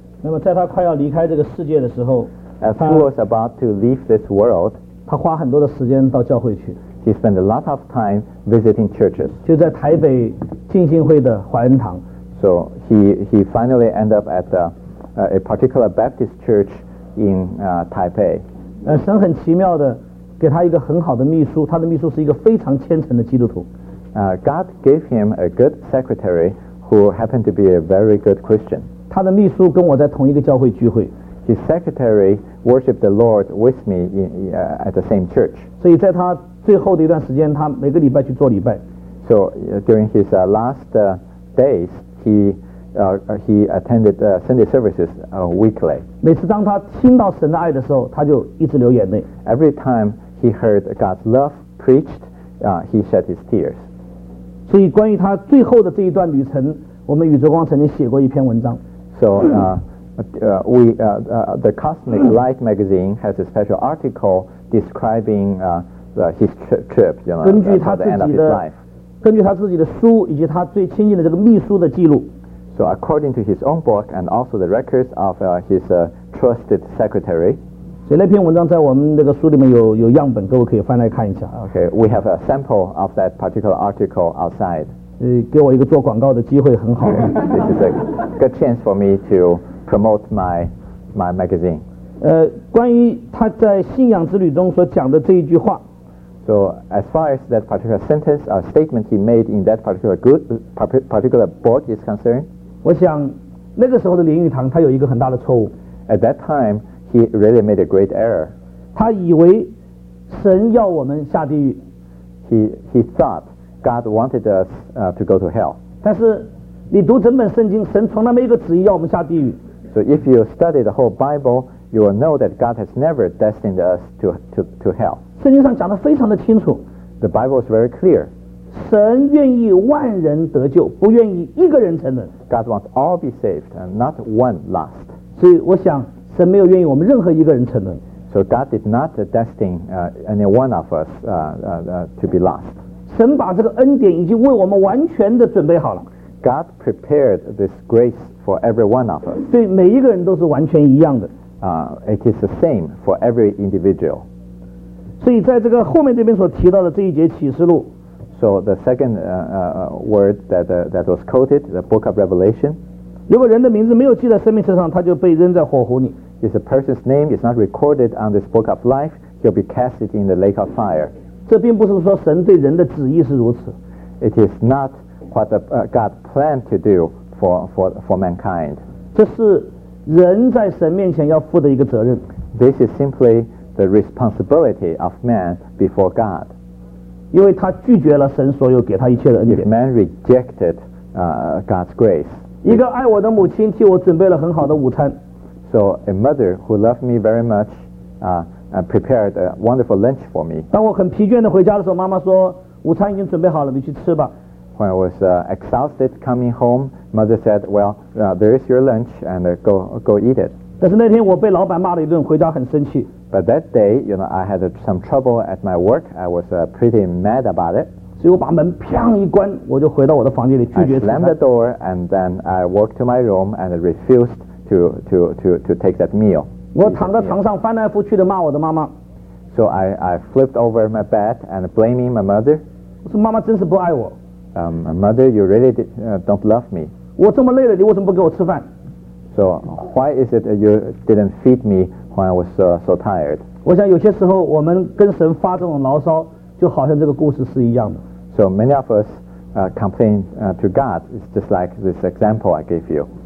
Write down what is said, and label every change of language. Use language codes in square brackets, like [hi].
[zh] 那么在他快要离开这个世界的时候 [en] as he was about to leave this world [zh] 他花很多的时间到教会去。 [en] He spent a lot of time visiting churches. [zh] 就在台北浸信会的华恩堂。 [en] So he finally ended up at a particular Baptist church in Taipei. [zh] 神很奇妙的给他一个很好的秘书，他的秘书是一个非常虔诚的基督徒。 [en] God gave him a good secretary who happened to be a very good Christian. [zh] 他的秘书跟我在同一个教会聚会。 [en] His secretary worshipped the Lord with me at the same church. [zh] 所以在他最后的一段时间，他每个礼拜去做礼拜。 [en] So during his last days, he attended Sunday services weekly. [zh] 每次当他听到神的爱的时候，他就一直流眼泪。 [en] Every time he heard God's love preached, he shed his tears. [zh] 所以关于他最后的这一段旅程，我们宇宙光曾经写过一篇文章。 [en] So the Cosmic Light magazine has a special article describing his trip, you know, [zh] 根据他自己的 根据他自己的书以及他最亲近的这个秘书的记录。 [en] So according to his own book and also the records of his trusted secretary. [zh] 所以那篇文章在我们那个书里面有样本，各位可以翻来看一下。 [en] Okay, we have a sample of that particular article outside. [zh] 给我一个做广告的机会很好。 [en] This is a good chance for me to promote my magazine. [zh] 关于他在信仰之旅中所讲的这一句话。 [en] So as far as that particular sentence or statement he made in that particular book is concerned, [zh] 我想那个时候的林语堂他有一个很大的错误。 [en] At that time, he really made a great error. [zh] 他以为神要我们下地狱。 [en] He thought God wanted us to go to hell. [zh] 但是你读整本圣经，神从来没有一个旨意要我们下地狱。 [en] So if you study the whole Bible, you will know that God has never destined us to hell. [zh] 圣经上讲得非常的清楚。 [en] The Bible is very clear. [zh] 神愿意万人得救，不愿意一个人沉沦。 [en] God wants all be saved and not one lost. [zh] 所以我想，神没有愿意我们任何一个人沉沦。 [en] So God did not destine any one of us to be lost. [zh] 神把这个恩典已经为我们完全的准备好了。 [en] God prepared this grace for every one of us. [zh] 对每一个人都是完全一样的。 [en] It is the same for every individual. [zh] 所以在这个后面这边所提到的这一节启示录 [en] So the second word that was quoted, the book of Revelation [zh] 如果人的名字没有记在生命册上，他就被扔在火湖里。 [en] If a person's name is not recorded on this book of life, he'll be casted in the lake of fire. [zh] 这并不是说神对人的旨意是如此。 [en] It is not what God planned to do for mankind. [zh] 这是人在神面前要负的一个责任。 [en] This is simplythe responsibility of man before God. [zh] 因为他拒绝了神所有给他一切的恩典。 [en] If man rejected God's grace. [zh] 一个爱我的母亲替我准备了很好的午餐。 [en] So a mother who loved me very much prepared a wonderful lunch for me. [zh] 当我很疲倦地回家的时候，妈妈说，午餐已经准备好了，你去吃吧。 [en] When I was exhausted coming home, mother said, well, there is your lunch and go eat it. [zh] 但是那天我被老板骂了一顿，回家很生气。 [en] But that day, you know, I had some trouble at my work. I was pretty mad about it. [zh] 所以我把门砰一关，我就回到我的房间里拒绝吃饭。 [en] I slammed the door and then I walked to my room and refused to take that meal. [zh] 我躺在床上翻来覆去的骂我的妈妈。 [en] So I flipped over my bed and blaming my mother. [zh] 我说妈妈真是不爱我。 [en] Mother, you really don't love me. [zh] 我这么累了，你为什么不给我吃饭？ [en] So why is it you didn't feed me when I was so tired? [zh] 我想有些时候我们跟神发这种牢骚，就好像这个故事是一样的。 [en] So many of us complain to God. It's just like this example I gave you.